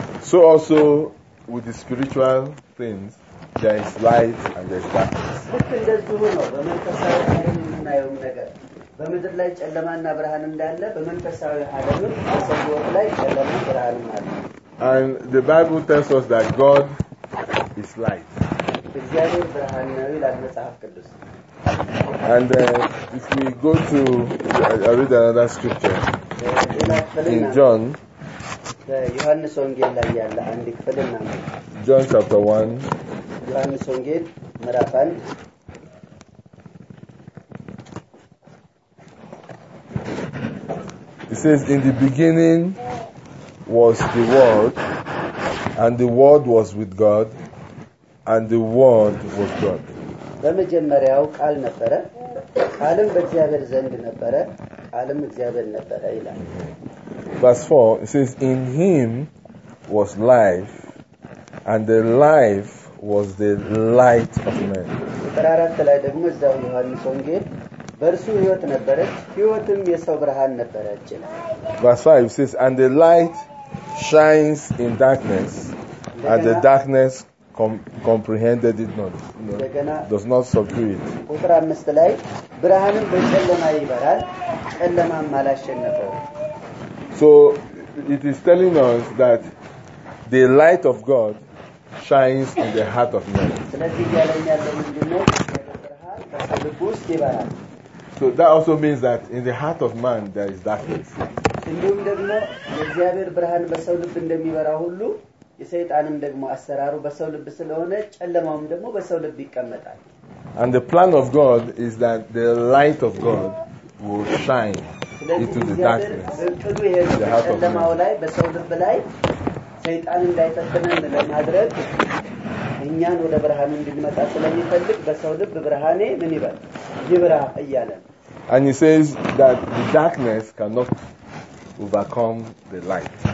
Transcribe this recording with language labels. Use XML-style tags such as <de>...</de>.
<en>So also with the spiritual things, there is light and there is darkness.</en> <am>በመድር ላይ ጨለማና ብርሃን እንዳለ በመንፈሳዊ ዓለምም በሰው ላይ ጨለማና ብርሃን አለ።</am> <en>And the Bible tells us that God is light.</en> <am>እግዚአብሔር ብርሃን ነው ይላል መጽሐፍ ቅዱስ።</am> <en>And if we go to read another scripture in John,</en> <am>ዮሐንስ ወንጌል ላይ ያለ አንድ ክፍል እናም</am> <en>John chapter 1</en> <am>ዮሐንስ ወንጌል ምዕራፍ 1</am> <en>It says, in the beginning was the Word, and the Word was with God, and the Word was God.</en> <am>በመጀመሪያው ቃል ነበረ፣ ቃልም በእግዚአብሔር ዘንድ ነበረ፣ ቃልም እግዚአብሔር ነበረ ይላል።</am> <en>Verse 4, it says, in him was life, and the life was the light of men.</en> <am>በተራራት ላይ ደግሞ እዛው ዮሐንስ ወንጌል በርሱ ህይወት ነበረች ህይወቱም የሰው ብርሃን ነበረች።</am> <en>Verse 5 says, and the light shines in darkness, and the darkness comprehended it not. Does not subdue it.</en> <am>ቁጥር 5 ላይ ብርሃንም በጨለማ ይበራል ጨለማም አላሸነፈውም።</am> <en>So it is telling us that the light of God shines in the heart of man.</en> <am>ስለዚህ ያለኝ ያለው ምንድነው? ብርሃን በልብ ውስጥ ይበራል።</am> <en>So that also means that in the heart of man there is darkness.</en> <am>እንዲሁም ደግሞ የእግዚአብሔር ብርሃን በሰው ልብ እንደሚበራ ሁሉ የሰይጣንም ደግሞ አሰራሩ በሰው ልብ ስለሆነ ጨለማውም ደግሞ በሰው ልብ ይቀመጣል።</am> <en>And the plan of God is that the light of God will shine into the darkness.</en> <am>ጨለማው ላይ በሰው ልብ ላይ ሰይጣን እንዳይፈተነን ለማድረግ እኛን ወደ ብርሃን እንድንመጣ ስለሚፈልግ በሰው ልብ ብርሃኔ ምን ይበል ይብራ እያለ</am> <en>And he says that the darkness cannot overcome the light.</en>